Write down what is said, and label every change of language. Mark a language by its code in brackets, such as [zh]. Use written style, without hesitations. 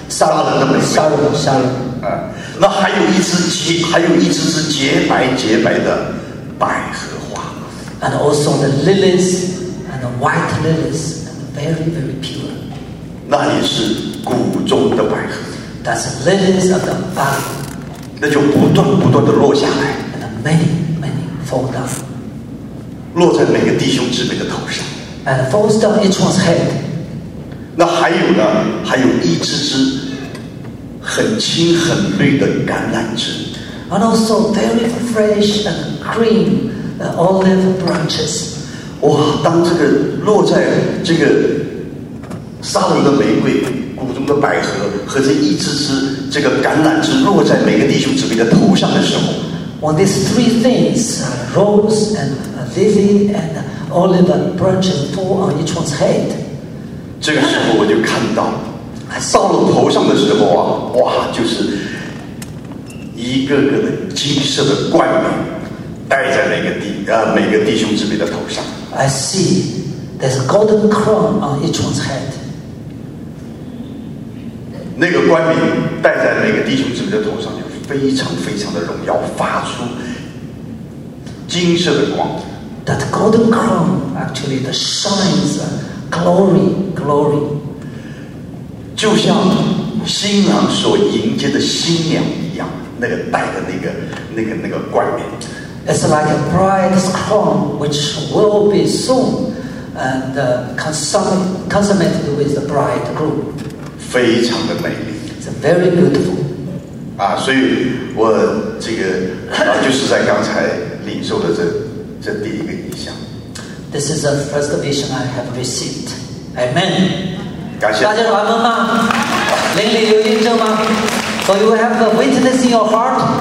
[zh] 沙龙的玫瑰。那还有一只洁，还有一只只洁白洁白的百合。 [en] And also the lilies and the white lilies, and very, very pure. [zh] 那也是谷中的百合。 [en] That's lilies of the valley. [zh] 那就不断不断的落下来。 [en] And many, many fall down. [zh] 落在每个弟兄姊妹的头上。 [en] And falls down each one's head. [zh] 那还有呢？还有一只只很青很绿的橄榄枝。 [en] And also very fresh and green. Olive branches. [zh] 哇，当这个落在这个沙龙的玫瑰、谷中的百合和这一只只这个橄榄枝落在每个弟兄姊妹的头上的时候 [en] ，When these three things, rose and lily and olive branches fall on each one's head, [zh] 这个时候我就看到，到了头上的时候啊，哇，就是一个个的金色的冠冕。戴在每个弟兄姊妹的头上。 [en] I see there's a golden crown on each one's head. [zh] 那个冠冕戴在每个弟兄姊妹的头上，就非常非常的荣耀，发出金色的光。 [en] That golden crown actually the shines glory. [zh] 就像新郎所迎接的新娘一样，那个戴的那个冠冕。 [en] It's like a bride's crown, which will be soon and consummated with the bridegroom. [zh] 非常的美丽。 [en] It's very beautiful. [zh] 啊，所以我这个啊，就是在刚才领受的这第一个意象。 [en] This is the first vision I have received. Amen. [zh] 感谢大家有阿门吗？灵里有印证吗 [en] ？So you have a witness in your heart?